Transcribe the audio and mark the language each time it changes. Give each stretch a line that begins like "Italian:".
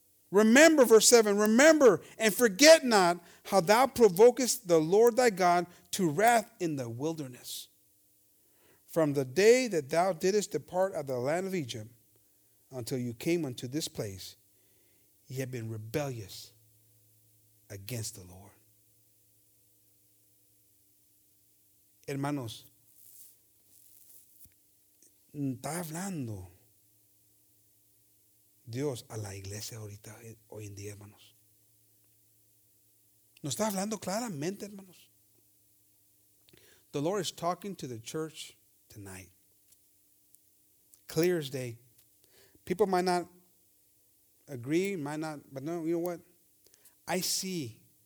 English: Remember, verse 7, remember and forget not how thou provokest the Lord thy God to wrath in the wilderness. From the day that thou didst depart out of the land of Egypt until you came unto this place, ye have been rebellious against the Lord.
Spanish: Hermanos, está hablando Dios a la iglesia ahorita, hoy en día, hermanos. Nos está hablando claramente, hermanos.
English: The Lord is talking to the church tonight. Clear as day. People might not agree, might not, but no, you know what? I see